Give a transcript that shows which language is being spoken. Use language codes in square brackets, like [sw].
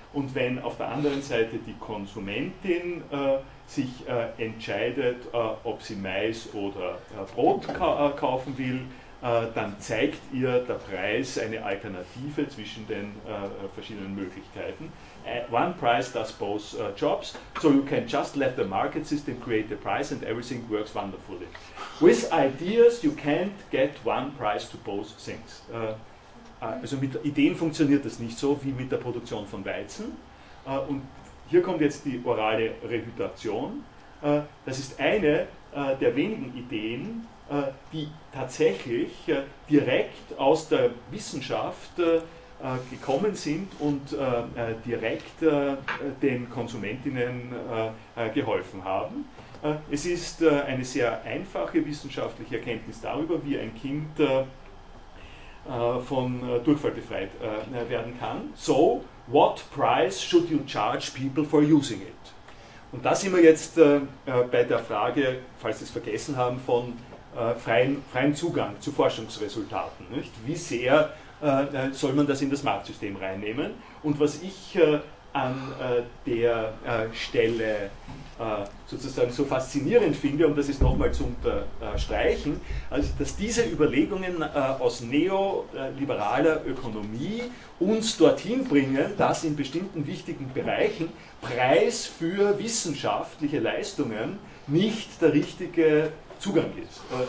[de] Und wenn auf der anderen Seite die Konsumentin sich entscheidet, ob sie Mais oder Brot kaufen will, dann zeigt ihr der Preis eine Alternative zwischen den verschiedenen Möglichkeiten. [en] One price does both jobs, so you can just let the market system create the price and everything works wonderfully. With ideas you can't get one price to both things. [de] Also mit Ideen funktioniert das nicht so wie mit der Produktion von Weizen. Und hier kommt jetzt die orale Rehydration. Das ist eine der wenigen Ideen, die tatsächlich direkt aus der Wissenschaft gekommen sind und direkt den Konsumentinnen geholfen haben. Es ist eine sehr einfache wissenschaftliche Erkenntnis darüber, wie ein Kind von Durchfall befreit werden kann. [en] So, what price should you charge people for using it? [de] Und da sind wir jetzt bei der Frage, falls Sie es vergessen haben, von freien Zugang zu Forschungsresultaten. Nicht? Wie sehr soll man das in das Marktsystem reinnehmen? Und was ich an der Stelle sozusagen so faszinierend finde, um das jetzt nochmal zu unterstreichen, also dass diese Überlegungen aus neoliberaler Ökonomie uns dorthin bringen, dass in bestimmten wichtigen Bereichen Preis für wissenschaftliche Leistungen nicht der richtige Zugang ist.